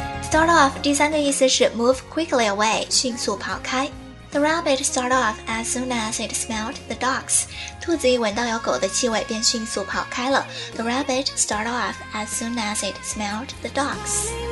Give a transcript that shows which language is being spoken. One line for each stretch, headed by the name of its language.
Chinese: Start off, 第三个意思是
English: move quickly away,
Chinese: 迅速跑开。
English: The rabbit started off as soon as it smelled the dogs.
Chinese: 兔子一闻到有狗的气味便迅速跑开了。
English: The rabbit started off as soon as it smelled the dogs.